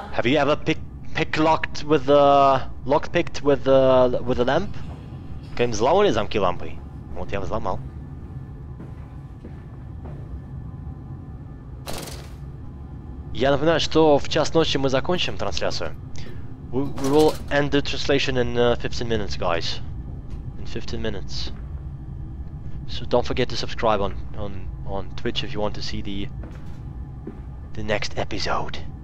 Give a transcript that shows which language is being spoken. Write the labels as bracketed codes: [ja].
[en] Have you ever lock picked with a lamp? [ru] Каким взломали замки лампой? Вот я взломал. Я напоминаю, что в час ночи мы закончим трансляцию. [en] We will end the translation in 15 minutes, guys. In 15 minutes. So don't forget to subscribe on Twitch if you want to see the next episode.